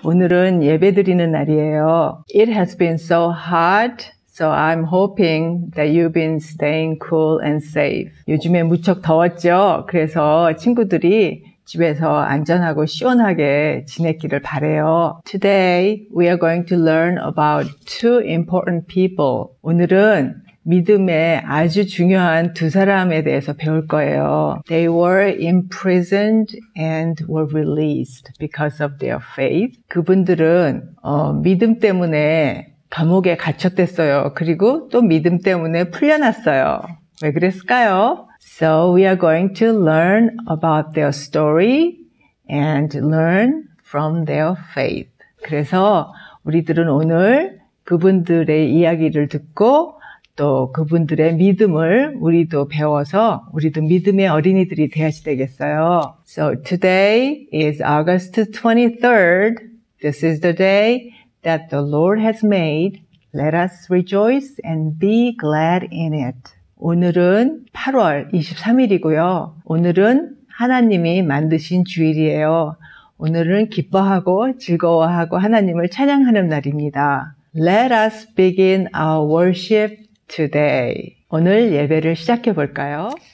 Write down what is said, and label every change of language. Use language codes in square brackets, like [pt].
[ko] 오늘은 예배 드리는 날이에요. [en] It has been so hot, so I'm hoping that you've been staying cool and safe. [ko] 요즘에 무척 더웠죠? 그래서 친구들이 집에서 안전하고 시원하게 지냈기를 바래요. [en] Today, we are going to learn about two important people. [ko] 오늘은 믿음의 아주 중요한 두 사람에 대해서 배울 거예요. [en] They were imprisoned and were released because of their faith. [ko] 그분들은 믿음 때문에 감옥에 갇혔댔어요. 그리고 또 믿음 때문에 풀려났어요. 왜 그랬을까요? [en] So we are going to learn about their story and learn from their faith. [ko] 그래서 우리들은 오늘 그분들의 이야기를 듣고 또 그분들의 믿음을 우리도 배워서 우리도 믿음의 어린이들이 되어야 되겠어요. [en] So today is August 23rd. This is the day that the Lord has made. Let us rejoice and be glad in it. [ko] 오늘은 8월 23일이고요. 오늘은 하나님이 만드신 주일이에요. 오늘은 기뻐하고 즐거워하고 하나님을 찬양하는 날입니다. [en] Let us begin our worship today. [ko] 오늘 예배를 시작해 볼까요?